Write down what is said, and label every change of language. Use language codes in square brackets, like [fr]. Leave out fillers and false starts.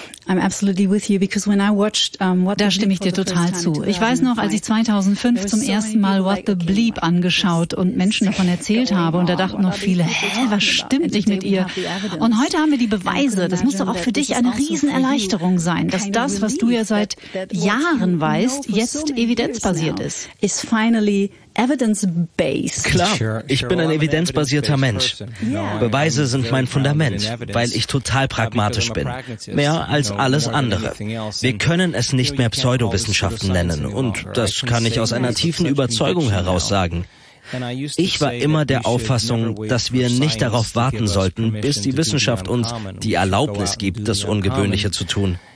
[en] I'm absolutely with you because when I watched [de] da stimme ich dir total zu. Ich weiß noch, als ich 2005 zum ersten Mal What the Bleep angeschaut und Menschen davon erzählt habe und da dachten noch viele, hä, was stimmt nicht mit ihr? Und heute haben wir die Beweise. Das muss doch auch für dich eine Riesenerleichterung sein, dass das, was du ja seit Jahren weißt, jetzt evidenzbasiert ist. [en] Is finally evidence-based. [de] Klar, ich bin ein evidenzbasierter Mensch. Beweise sind mein Fundament, weil ich total pragmatisch bin. Mehr als alles andere. Wir können es nicht mehr Pseudowissenschaften nennen, und das kann ich aus einer tiefen Überzeugung heraus sagen. Ich war immer der Auffassung, dass wir nicht darauf warten sollten, bis die Wissenschaft uns die Erlaubnis gibt, das Ungewöhnliche zu tun.